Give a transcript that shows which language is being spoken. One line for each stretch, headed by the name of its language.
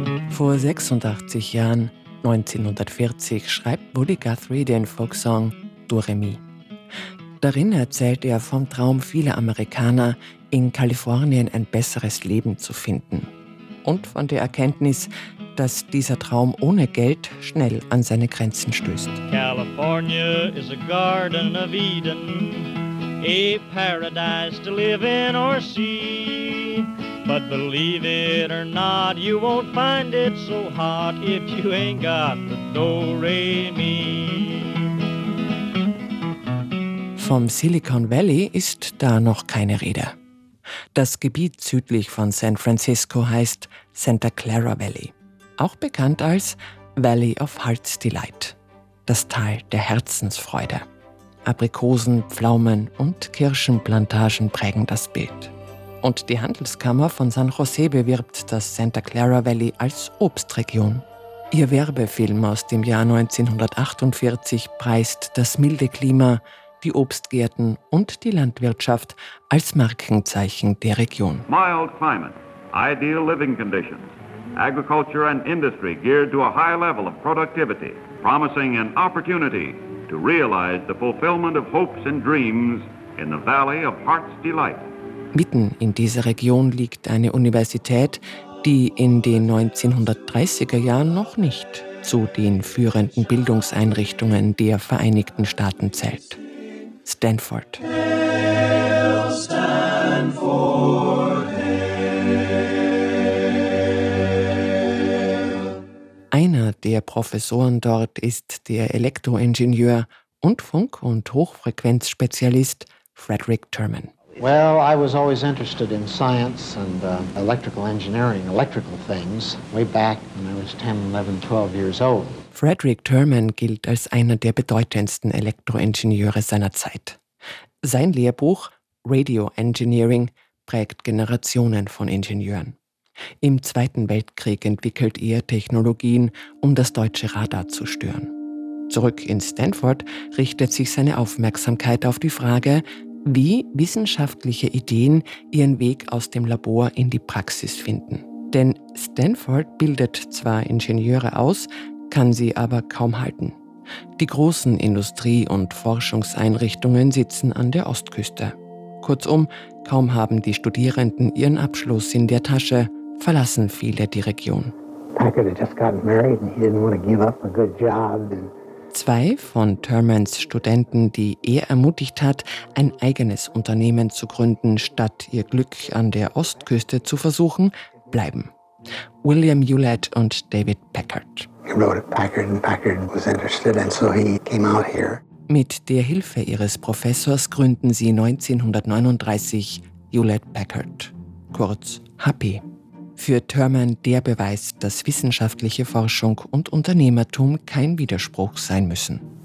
German: Vor 86 Jahren, 1940, schreibt Woody Guthrie den Folksong Do Re Mi. Darin erzählt er vom Traum vieler Amerikaner, in Kalifornien ein besseres Leben zu finden. Und von der Erkenntnis, dass dieser Traum ohne Geld schnell an seine Grenzen stößt.
English: California is a garden of Eden, a paradise to live in or see. But believe it or not, you won't find it so hot if you ain't got the Do-Re-Mi.
German: Vom Silicon Valley ist da noch keine Rede. Das Gebiet südlich von San Francisco heißt Santa Clara Valley, auch bekannt als Valley of Heart's Delight, das Tal der Herzensfreude. Aprikosen, Pflaumen und Kirschenplantagen prägen das Bild. Und die Handelskammer von San Jose bewirbt das Santa Clara Valley als Obstregion. Ihr Werbefilm aus dem Jahr 1948 preist das milde Klima, die Obstgärten und die Landwirtschaft als Markenzeichen der Region.
English: Mild climate, ideal living conditions, agriculture and industry geared to a high level of productivity, promising an opportunity to realize the fulfillment of hopes and dreams in the Valley of Heart's Delight.
German: Mitten in dieser Region liegt eine Universität, die in den 1930er Jahren noch nicht zu den führenden Bildungseinrichtungen der Vereinigten Staaten zählt. Stanford.
English: Hail Stanford, hail.
German: Einer der Professoren dort ist der Elektroingenieur und Funk- und Hochfrequenzspezialist Frederick Terman.
English: Well, I was always interested in science and electrical engineering, electrical things, way back when I was 10, 11, 12 years old.
German: Frederick Terman gilt als einer der bedeutendsten Elektroingenieure seiner Zeit. Sein Lehrbuch Radio Engineering prägt Generationen von Ingenieuren. Im Zweiten Weltkrieg entwickelt er Technologien, um das deutsche Radar zu stören. Zurück in Stanford richtet sich seine Aufmerksamkeit auf die Frage, wie wissenschaftliche Ideen ihren Weg aus dem Labor in die Praxis finden. Denn Stanford bildet zwar Ingenieure aus, kann sie aber kaum halten. Die großen Industrie- und Forschungseinrichtungen sitzen an der Ostküste. Kurzum, kaum haben die Studierenden ihren Abschluss in der Tasche, verlassen viele die Region. zwei von Thurmans Studenten, die er ermutigt hat, ein eigenes Unternehmen zu gründen, statt ihr Glück an der Ostküste zu versuchen, bleiben. William Hewlett und David Packard.
English: He wrote Packard and Packard was interested and so he came out here.
German: Mit der Hilfe ihres Professors gründen sie 1939 Hewlett Packard, kurz HP. Für Thurman der Beweis, dass wissenschaftliche Forschung und Unternehmertum kein Widerspruch sein müssen.